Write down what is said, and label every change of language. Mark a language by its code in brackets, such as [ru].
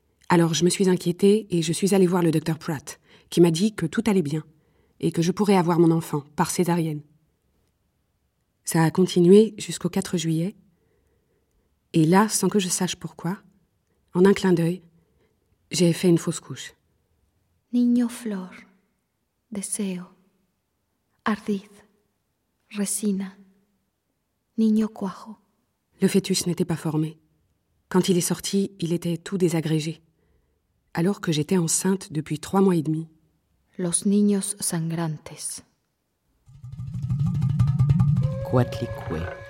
[fr] Alors je me suis inquiétée et je suis allée voir le docteur Pratt, qui m'a dit que tout allait bien et que je pourrais avoir mon enfant par césarienne. Ça a continué jusqu'au 4 juillet. Et là, sans que je sache pourquoi, en un clin d'œil, j'ai fait une fausse couche. [es] Niño flor, deseo, ardid, resina, niño cuajo. [fr] Le fœtus n'était pas formé. Quand il est sorti, il était tout désagrégé. Alors que j'étais enceinte depuis 3 mois et demi. [es] Los niños sangrantes. Coatlicue.